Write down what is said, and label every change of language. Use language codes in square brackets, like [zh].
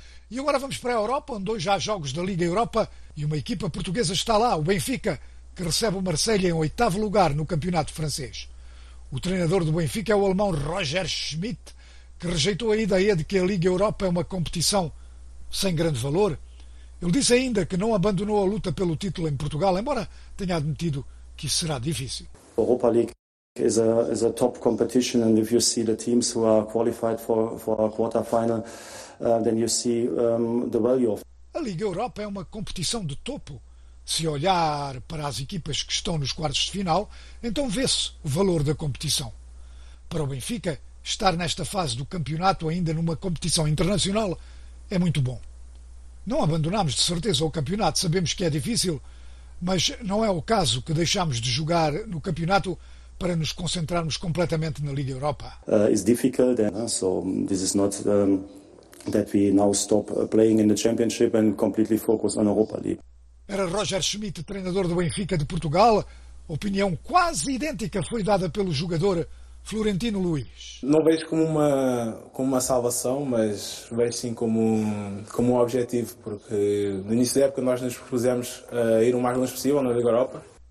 [pt] E agora vamos para a Europa, onde hoje há jogos da Liga Europa e uma equipa portuguesa está lá, o Benfica, que recebe o Marseille em oitavo lugar no campeonato francês. O treinador do Benfica é o alemão Roger Schmidt, que rejeitou a ideia de que a Liga Europa é uma competição sem grande valor. Ele disse ainda que não abandonou a luta pelo título em Portugal, embora tenha admitido que isso será difícil. [en] Europa League is a top competition, and if you see the teams who are qualified for a quarter final, then you see the value of. [pt] A Liga Europa é uma competição de topo. Se olhar para as equipas que estão nos quartos de final, então vê-se o valor da competição. Para o Benfica, estar nesta fase do campeonato ainda numa competição internacional é muito bom. Não abandonamos de certeza o campeonato, sabemos que é difícil, mas não é o caso que deixamos de jogar no campeonato para nos concentrarmos completamente na Liga Europa. [en] It's difficult, so this is not that we now stop playing in the Championship and completely focus on Europa League. [pt] Era Roger Schmidt, treinador do Benfica de Portugal. Opinião quase idêntica foi dada pelo jogador Florentino Luís. Não vejo como uma salvação, mas vejo sim como um objetivo, porque no início da época nós nos propusemos a ir o mais longe possível na Liga Europa.